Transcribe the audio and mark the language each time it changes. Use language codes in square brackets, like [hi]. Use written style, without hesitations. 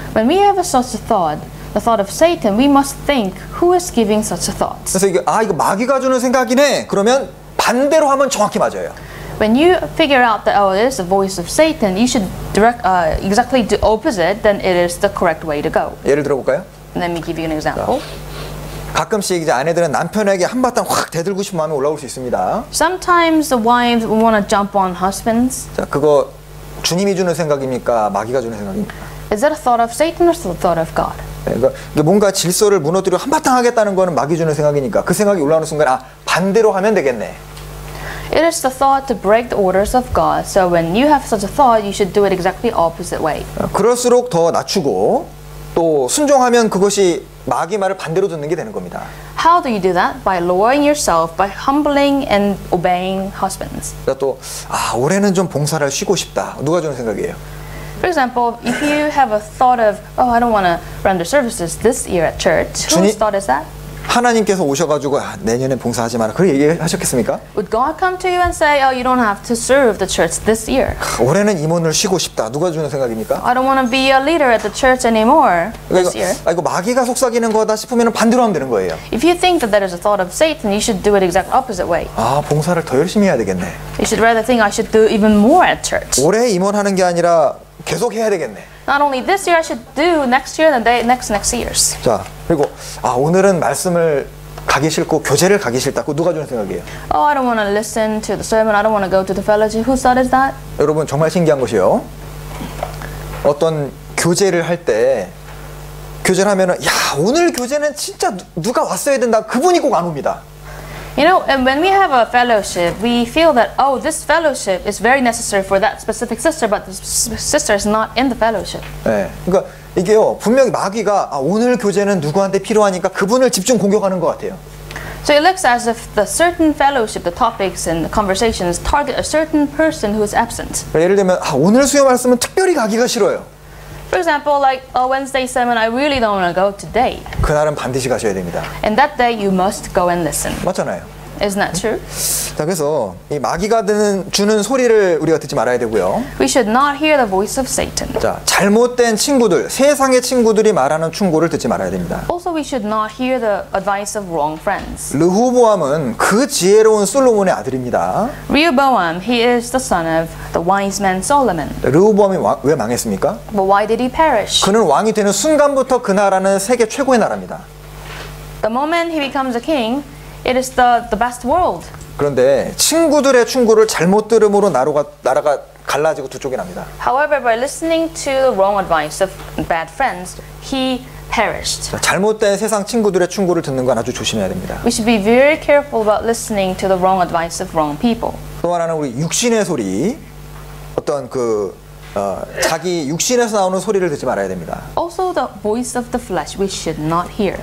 [en] When we have such a thought, the thought of Satan, we must think who is giving such a thought. [ko] 그래서 이게 아 이거 마귀가 주는 생각이네. 그러면 반대로 하면 정확히 맞아요. [en] When you figure out that oh, it is the voice of Satan, you should direct exactly the opposite. Then it is the correct way to go. [ko] 예를 들어볼까요? [en] Let me give you an example. [ko] 가끔씩 이제 아내들은 남편에게 한바탕 확 대들고 싶은 마음이 올라올 수 있습니다. [en] Sometimes the wives want to jump on husbands. [ko] 자, 그거 주님이 주는 생각입니까? 마귀가 주는 생각입니까? [en] Is that a thought of Satan or the thought of God? [ko] 그러니까 뭔가 질서를 무너뜨려 한바탕 하겠다는 거는 마귀 주는 생각이니까 그 생각이 올라오는 순간 아, 반대로 하면 되겠네. [en] It is the thought to break the orders of God. So when you have such a thought, you should do it exactly opposite way. [ko] 그럴수록 더 낮추고 또 순종하면 그것이 마귀 말을 반대로 듣는 게 되는 겁니다. [en] How do you do that? By lowering yourself, by humbling and obeying husbands. [ko] 또 아, 올해는 좀 봉사를 쉬고 싶다. 누가 주는 생각이에요? [en] For example, if you have a thought of, oh, I don't want to render services this year at church. Whose thought is that? [ko] 하나님께서 오셔가지고 아, 내년에 봉사하지 마라. 그렇게 얘기하셨겠습니까? [en] Would God come to you and say, oh, you don't have to serve the church this year? [ko] 올해는 임원을 쉬고 싶다. 누가 주는 생각입니까? [en] I don't want to be a leader at the church anymore this year. [ko] 아이고 마귀가 속삭이는 거다 싶으면 반대로 하면 되는 거예요. [en] If you think that that is a thought of Satan, you should do it exact opposite way. [ko] 아, 봉사를 더 열심히 해야 되겠네. [en] You should rather think I should do even more at church. [ko] 올해 임원하는 게 아니라 계속 해야 되겠네. [en] Not only this year I should do next year and the next years. [ko] 자, 그리고 아 오늘은 말씀을 가기 싫고 교제를 가기 싫다. 그거 누가 주는 생각이에요? [en] Oh, I don't want to listen to the sermon. I don't want to go to the fellowship. Who said is that? [ko] 여러분 정말 신기한 것이요. 어떤 교제를 할 때 교제를 하면은 야, 오늘 교제는 진짜 누가 왔어야 된다. 그분이 꼭 안 옵니다. [en] You know, and when we have a fellowship, we feel that, oh, this fellowship is very necessary for that specific sister, but this sister is not in the fellowship. [ko] 네, 그러니까 이게요, 분명히 마귀가 아, 오늘 교제는 누구한테 필요하니까 그분을 집중 공격하는 것 같아요. [en] So it looks as if the certain fellowship, the topics and the conversations target a certain person who is absent. [ko] 예를 들면, 아, 오늘 수요 말씀은 특별히 가기가 싫어요. [en] For example, like a Wednesday sermon, I really don't want to go today. [ko] 그날은 반드시 가셔야 됩니다. [en] And that day, you must go and listen. [ko] 맞잖아요. [en] Isn't that true? [ko] 자, 그래서 이 마귀가 드는 주는 소리를 우리가 듣지 말아야 되고요. [en] We should not hear the voice of Satan. [ko] 자, 잘못된 친구들, 세상의 친구들이 말하는 충고를 듣지 말아야 됩니다. [en] Also, we should not hear the advice of wrong friends. [ko] 르호보암은 그 지혜로운 솔로몬의 아들입니다. [en] Rehoboam, he is the son of the wise man Solomon. [ko] 르호보암이 왜 망했습니까? [en] But why did he perish? [ko] 그는 왕이 되는 순간부터 그 나라는 세계 최고의 나라입니다. [en] The moment he becomes a king, it is the best world. [ko] 그런데 친구들의 충고를 잘못 들음으로 나라가 갈라지고 두 쪽이 납니다. [en] However, by listening to the wrong advice of bad friends, he perished. [ko] 잘못된 세상 친구들의 충고를 듣는 건 아주 조심해야 됩니다. [en] We should be very careful about listening to the wrong advice of wrong people. [ko] 또 하나는 우리 육신의 소리, 어떤 그 자기 육신에서 나오는 소리를 듣지 말아야 됩니다. [en] Also the voice of the flesh we should not hear.